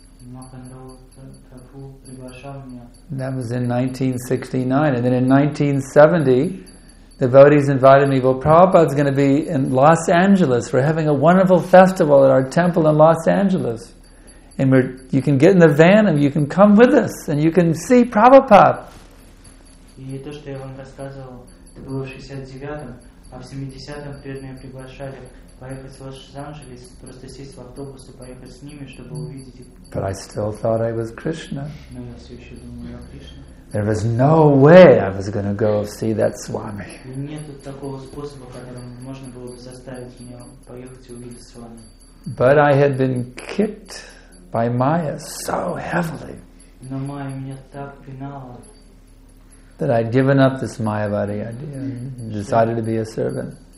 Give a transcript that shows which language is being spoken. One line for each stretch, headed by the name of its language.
English: And that was in 1969. And then in 1970, the devotees invited me, well, Prabhupada's going to be in Los Angeles. We're having a wonderful festival at our temple in Los Angeles. And you can get in the van and you can come with us and you can see Prabhupada.
Russian: И то, что я вам рассказывал, это было в 69-м, а в 70-м преданные приглашали поехать в Лос-Анджелес, просто сесть в автобус и поехать с ними, чтобы увидеть их.
English: But I still thought I was Krishna.
Russian: Но я все еще думал, я Кришна.
English: There was no way I was going to go see that Swami.
Russian: Нет такого способа, которым можно было бы заставить меня поехать и увидеть Свами.
English: But I had been kicked by Maya so heavily.
Russian: Но Майя меня так пинала.
English: That I'd given up this Mayavadi idea and decided to be a servant.